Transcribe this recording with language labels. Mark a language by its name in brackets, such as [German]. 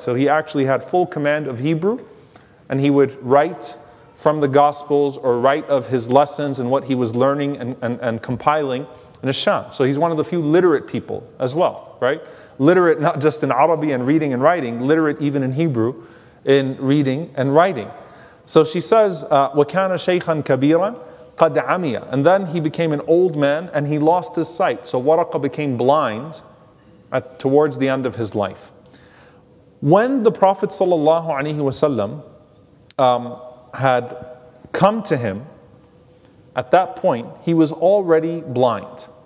[English] So he actually had full command of Hebrew, and he would write from the Gospels or write of his lessons and what he was learning and compiling in Sham. So he's one of the few literate people as well, right? Literate not just in Arabic and reading and writing, literate even in Hebrew in reading and writing. So she says, [Arabic] وَكَانَ شَيْخًا كَبِيرًا قَدْ عَمِيَ. [English] And then he became an old man and he lost his sight. So Waraqa became blind towards the end of his life. When the Prophet sallallahu alaihi wasallam had come to him, at that point he was already blind.